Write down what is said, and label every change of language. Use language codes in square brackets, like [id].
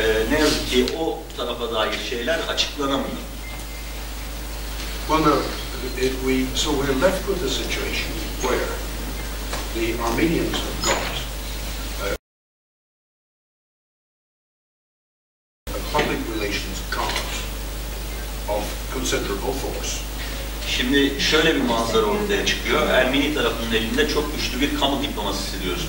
[tr] Ne yazık ki o tarafa dair şeyler açıklanamıyor. [en] Well, no. So we're left with a situation where the Armenians have got considerable force. [tr] Şimdi şöyle bir manzara ortaya çıkıyor. Ermeni tarafının elinde çok güçlü bir kamu diplomasisi diyoruz.